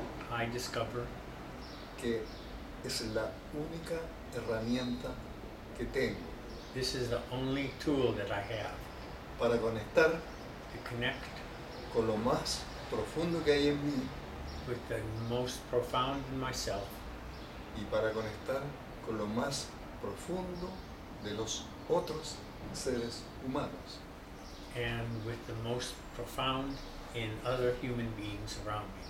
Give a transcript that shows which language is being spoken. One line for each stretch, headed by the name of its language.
English: I discover
Spanish: que es la única herramienta que tengo.
English: This is the only tool that I have
Spanish: para conectar,
English: to connect
Spanish: con lo más profundo que hay en mí,
English: with the most profound in myself,
Spanish: y para conectar con lo más profundo de los otros seres humanos,
English: and with the most profound in other human beings around me.